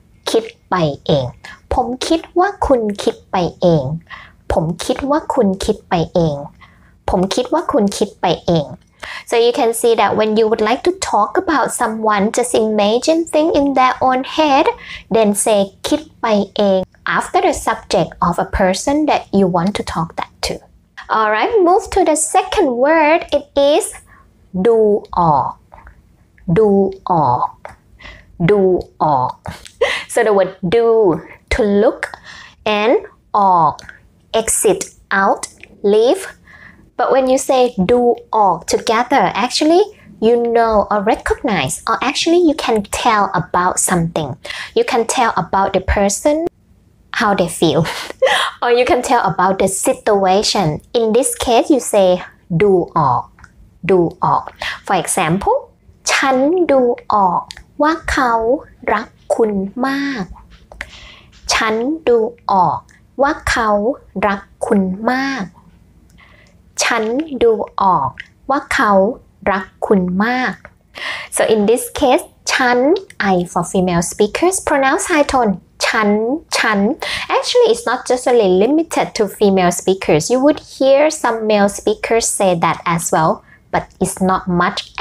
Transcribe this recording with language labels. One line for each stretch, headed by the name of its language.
Thai: คิดไปเองผมคิดว่าคุณคิดไปเองผมคิดว่าคุณคิดไปเองผมคิดว่าคุณคิดไปเอง
English: So you can see that when you would like to talk about someone, just imagine things in their own head, then say คิดไปเอง after the subject of a person that you want to talk that to. All right, move to the second word. It is ดูออกดูออกดูออก So the word ดู to look and ออก exit out leave. But when you say ดูออก together, actually, you know or recognize, or actually you can tell about something. You can tell about the person, how they feel. or you can tell about the situation. In this case, you say ดูออก ดูออก.
Thai: For example, ฉันดูออกว่าเขารักคุณมาก. ฉันดูออกว่าเขารักคุณมากฉันดูออกว่าเขารักคุณมาก
English: So in this case ฉัน I for female speakers pronounce high tone ฉันฉัน Actually it's not just really limited to female speakers You would hear some male speakers say that as well But it's not much